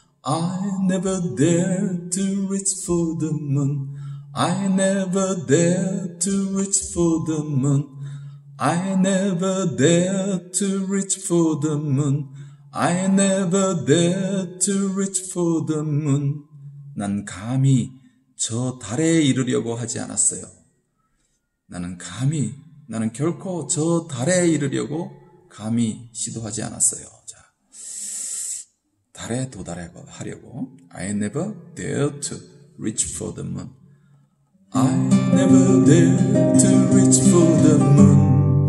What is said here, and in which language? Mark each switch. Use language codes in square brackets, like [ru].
[en] I never dared to reach for the moon. I never dared to reach for the moon. I never dared to reach for the moon. I never dared to reach for the moon. [ko] 난 감히 저 달에 이르려고 하지 않았어요. 나는 결코 저 달에 이르려고 감히 시도하지 않았어요. 자, 달에 도달하려고. [en] I never dare to reach for the moon. I never dare to reach for the moon.